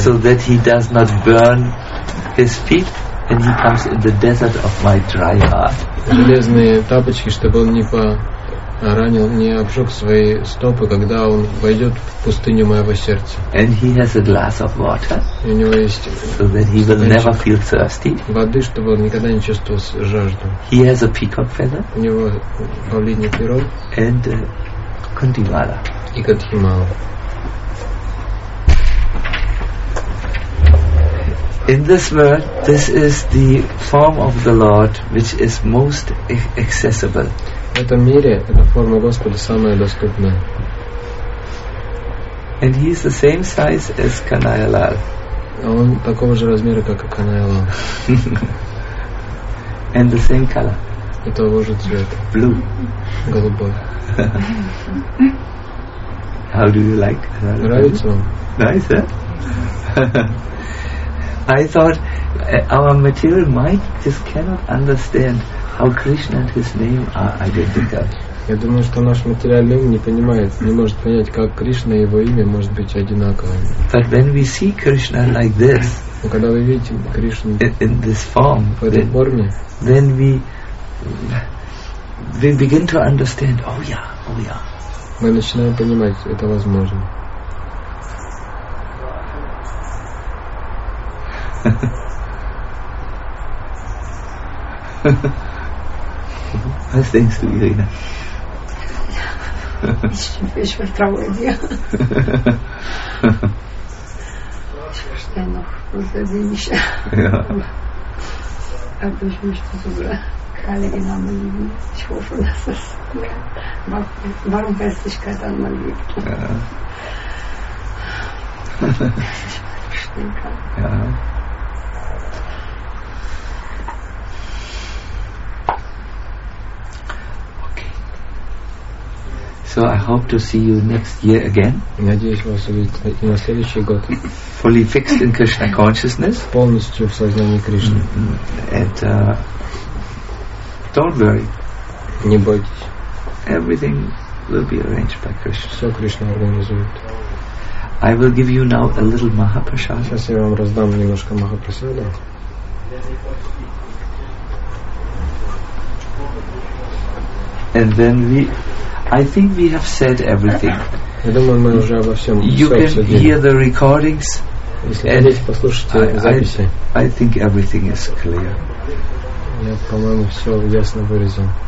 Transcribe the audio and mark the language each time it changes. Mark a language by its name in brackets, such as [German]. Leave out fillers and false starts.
[English] So that he does not burn his feet. And he comes in the desert of my dry heart. [Russian] Железные тапочки, чтобы он не поранил, не обжег свои стопы, когда он войдет в пустыню моего сердца. [English] And he has a glass of water. [Russian] У него есть. [English] So that he will never feel thirsty. [Russian] Воды, чтобы он никогда не чувствовал жажду. [English] He has a peacock feather. [Russian] У него павлинье перо. [English] And кандимала. [Russian] И кандимала. [English] In this world, this is the form of the Lord which is most accessible. [Russian] В этом мире эта форма Господа самая доступная. [English] And he is the same size as Kanayalal. [Russian] Он такого же размера, как и Kanayalal. [English] And the same color. [Russian] И того же цвета. [English] Blue. [Russian] Голубой. [English] How do you like that? [Russian] Нравится вам? [English] Nice, eh? I thought our material mind just cannot understand how Krishna and his name are identical. [Russian] Я думаю, что наш материальный ум не понимает, не может понять, как Кришна и его имя может быть одинаковыми. [English] But when we see Krishna like this, [Russian] когда вы видите Кришну [English] in this form, [Russian] в этой форме, [English] then we begin to understand. Oh yeah, oh yeah. [Russian] Мы начинаем понимать, это возможно. [English] Nice things to you, Irina. [German] Ich vertraue dir. Ich verstehe noch, was er sie nicht. Aber ich möchte sogar heilige Namen lieben. Ich hoffe, dass es mehr Barmherzigkeit an mir gibt. Dass ich mal verstehen kann. Ja. [English] So I hope to see you next year again. [Russian] Надеюсь вас увидеть на следующий год. [English] Fully fixed in Krishna consciousness. [Russian] Полностью в сознании Кришны. [English] And don't worry. [Russian] Не бойтесь. [English] Everything will be arranged by Krishna. [Russian] Все Кришна организует. [English] I will give you now a little Mahaprasada. [Russian] Сейчас я вам раздам немножко Mahaprasada. [English] And then we. I think we have said everything. [Russian] Я думаю, мы уже обо всем. [English] You can hear the recordings. [Russian] Если вы послушаете записи. [English] I think everything is clear. [Russian] Я, по-моему, все ясно выразил.